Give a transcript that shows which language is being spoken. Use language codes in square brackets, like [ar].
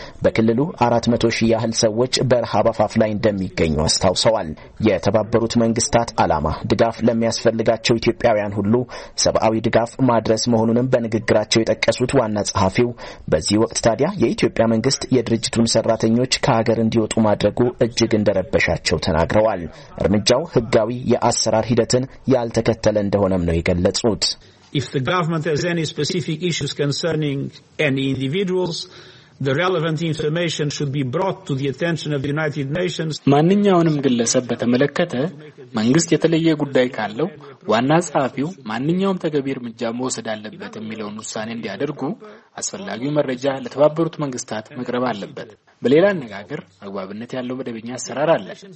[am] በክልሉ 400 ሺህ ያህል ሰዎች በረሃብ አፋፍ ላይ እንደሚገኙ አስታውሰዋል። የተባበሩት መንግስታት ዓላማ ድጋፍ ለሚያስፈልጋቸው ኢትዮጵያውያን ሁሉ ሰብአዊ ድጋፍ ማድረስ መሆኑንም በንግግራቸው የጠቀሱት ዋና ጸሐፊው በዚህ ወቅት ታዲያ የኢትዮጵያ መንግስት የድርጅቱን ሰራተኞች ከሀገር እንዲወጡ ማድረጉ እጅግ እንደረበሻቸው ተናግረዋል። እርምጃው ህጋዊ የአሰራር ሂደትን ያልተከተለ እንደሆነም ነው የገለጹት። [en] If the government has any specific issues concerning any individuals, the relevant information should be brought to the attention of the United Nations. [am] ማንኛውንም ግለሰብ በተመለከተ መንግስት የተለየ ጉዳይ ካለው ዋና ጸሐፊው ማንኛውም ተገቢ እርምጃ መውሰድ አለበት የሚለውን ውሳኔ እንዲያደርጉ አስፈላጊው መረጃ ለተባበሩት መንግስታት መቅረብ አለበት። በሌላ አነጋገር አግባብነት ያለው መደበኛ አሰራር አለ